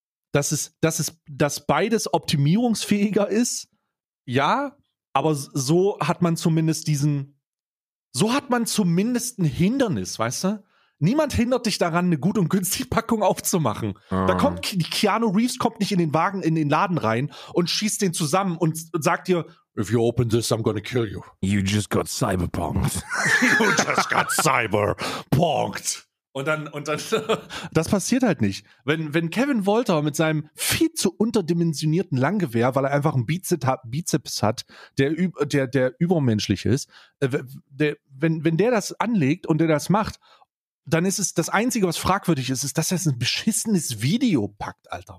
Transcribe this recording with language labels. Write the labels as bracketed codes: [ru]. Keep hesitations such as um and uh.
[de] Dass es, dass es, dass beides optimierungsfähiger ist, ja, aber so hat man zumindest diesen, so hat man zumindest ein Hindernis, weißt du? Niemand hindert dich daran, eine gut und günstige Packung aufzumachen. Da kommt Ke- Keanu Reeves kommt nicht in den Wagen, in den Laden rein und schießt den zusammen und s- und sagt dir, [en] if you open this, I'm gonna kill you. You just got cyberpunked. You just got cyberpunked. [de] Und dann, und dann, das passiert halt nicht. Wenn, wenn Kevin Wolter mit seinem viel zu unterdimensionierten Langgewehr, weil er einfach einen Bizeps hat, Bizeps hat der, üb- der, der übermenschlich ist, äh, w- der, wenn, wenn der das anlegt und der das macht, dann ist es das Einzige, was fragwürdig ist, ist, dass er ein beschissenes Video packt, Alter.